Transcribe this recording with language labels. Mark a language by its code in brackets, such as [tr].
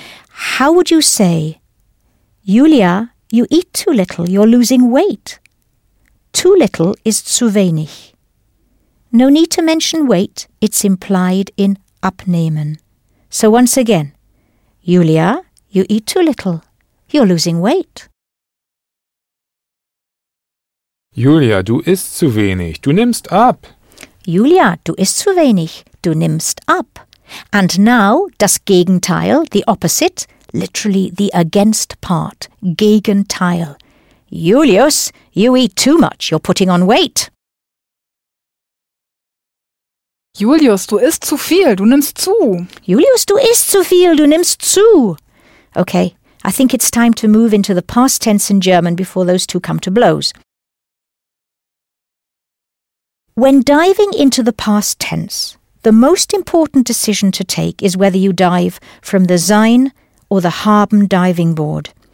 [en] How would you say, Julia, you eat too little, you're losing weight? Too little is [de] zu wenig. [en] No need to mention weight, it's implied in abnehmen. So once again, Julia, you eat too little, you're losing weight. [de] Julia, du isst zu wenig, du nimmst ab. Julia, du isst zu wenig, du nimmst ab. [en] And now, das Gegenteil, the opposite, literally the against part, Gegenteil. Julius, you eat too much, you're putting on weight. [de] Julius, du isst zu viel, du nimmst zu. Julius, du isst zu viel, du nimmst zu. [en] Okay, I think it's time to move into the past tense in German before those two come to blows. When diving into the past tense, the most important decision to take is whether you dive from the Sein or the Haben diving board.